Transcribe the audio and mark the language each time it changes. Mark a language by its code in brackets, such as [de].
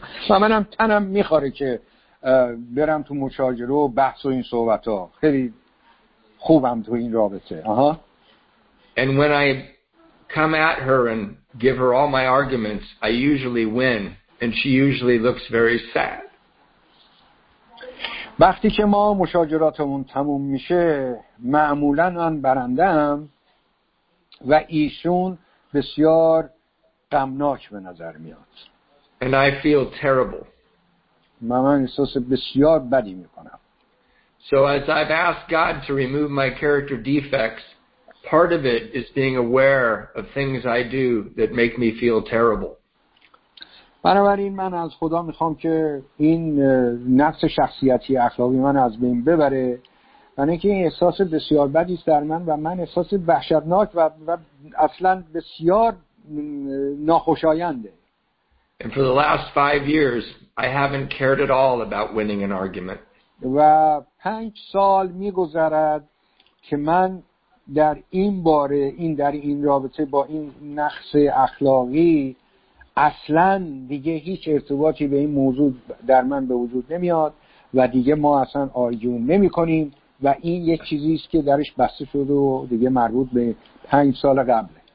[fa] منم تنم میخوره که برم تو مشاجره و بحث و این صحبت ها. خیلی خوبم تو این رابطه. [en] And when I come at her and give her all my arguments, I usually win, and she usually looks very sad. [fa] وقتی که ما مشاجراتمون تموم میشه، معمولاً من برندم و ایشون بسیار غمناک به نظر میاد. [en] And I feel terrible. [fa] من احساس بسیار بدی میکنم. [en] So as I've asked God to remove my character defects, part of it is being aware of things I do that make me feel terrible. [fa] بنابراین من از خدا میخوام که این نقص شخصیتی اخلاقی من از بین ببره. من اینکه این احساس بسیار بدی است در من و من احساس وحشتناک و اصلا بسیار ناخوشاینده. [en] And for the last 5 years I haven't cared at all about winning an argument. [fa] و 5 سال میگذرد که من در این باره، این در این رابطه با این نقص اخلاقی اصلا دیگه هیچ ارتباطی به این موضوع در من به وجود نمیاد و دیگه ما اصلا آرگیون نمی کنیم و این یک چیزی است که درش بسته شده و دیگه مربوط به 5 سال قبله.